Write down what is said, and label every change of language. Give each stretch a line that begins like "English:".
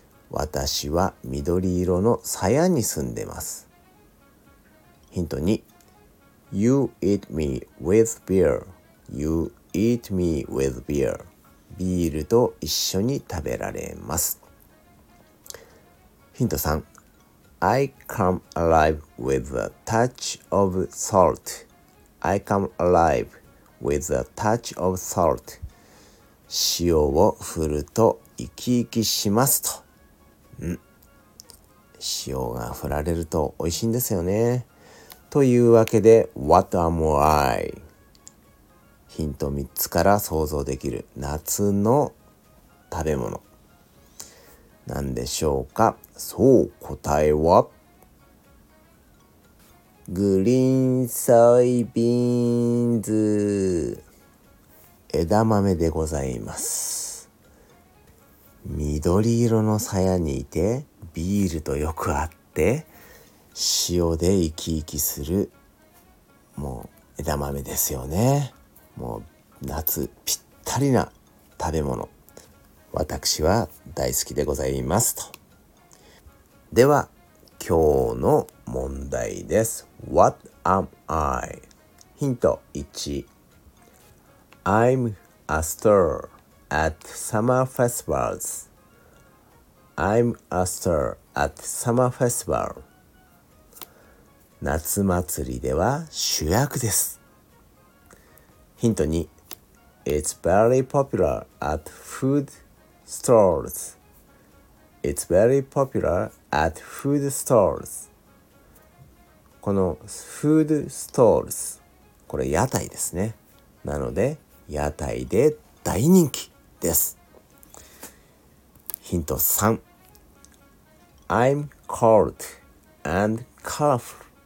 Japanese: 私は緑色の鞘に住んでます。ヒント2。
English: You eat me with beer. You eat me with beer.
Japanese: ビールと一緒に食べられます。ヒント3。
English: I come alive with a touch of salt. I come alive with a touch of salt.
Japanese: 塩を振ると生き生きしますと。うん。塩が振られると美味しいんですよね。というわけで、
English: What am I?
Japanese: ヒント3つから想像できる夏の食べ物。何でしょうか？そう、答えは、グリーンソイビーンズ。枝豆でございます。緑色の鞘にいて、ビールとよく合って、塩で生き生きするもう枝豆ですよね。もう夏ぴったりな食べ物、私は大好きでございます。とでは今日の問題です。
English: What am I?
Japanese: ヒント1。
English: I'm a star at summer festivals. I'm a star at summer festival.
Japanese: 夏祭りでは主役です。ヒント2。
English: It's very popular at food stores. It's very popular at food stores.
Japanese: この food stores、 これ屋台ですね。なので屋台で大人気です。ヒント3。
English: I'm cold and colorful.